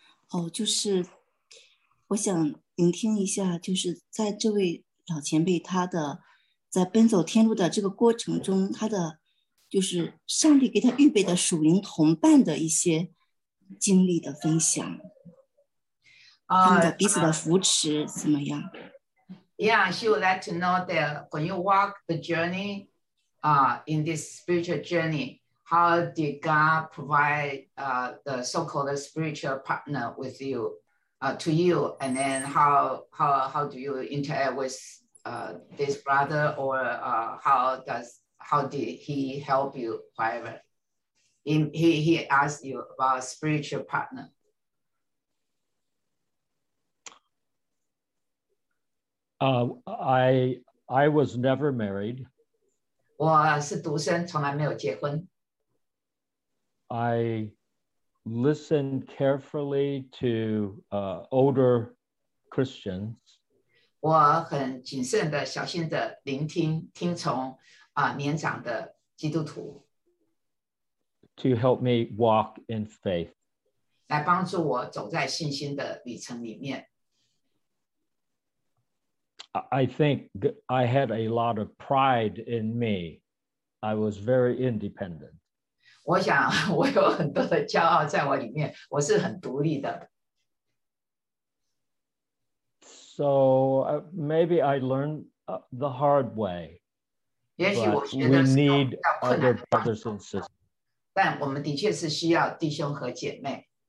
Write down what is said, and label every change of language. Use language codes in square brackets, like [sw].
[zh] 哦，就是我想聆听一下，就是在这位老前辈他的在奔走天路的这个过程中，他的就是上帝给他预备的属灵同伴的一些经历的分享，他们的彼此的扶持怎么样 [en] ？Yeah, she would like to know that when you walk the journey, in this spiritual journey, How did God provide the so-called spiritual partner with you, to you? And then how do you interact with this brother, or how did he help you, whatever? He asked you about spiritual partner. I was never married. [zh] 我是独生, 从来没有结婚。 [en] I listened carefully to older Christians. [zh] 我很谨慎的, 小心的聆听, 听从, 年长的基督徒, [en] to help me walk in faith. [zh] 来帮助我走在信心的旅程里面。 [en] I think I had a lot of pride in me. I was very independent. [zh] 我想我有很多的骄傲在我里面，我是很独立的。 [en] So maybe I learned the hard way. [zh] 也许我学的是比较困难的方法，但我们的确是需要弟兄和姐妹。